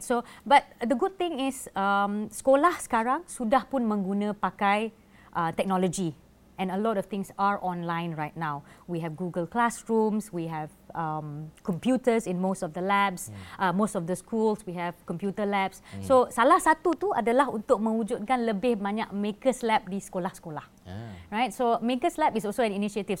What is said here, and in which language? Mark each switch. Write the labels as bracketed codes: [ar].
[en] So, but the good thing is [ms] sekolah sekarang sudah pun menggunakan pakai teknologi, [en] and a lot of things are online right now. We have Google Classrooms, we have computers in most of the labs, most of the schools we have computer labs. [ms] So salah satu tu adalah untuk mewujudkan lebih banyak makers lab di sekolah-sekolah. [en] Right, so makers lab is also an initiative.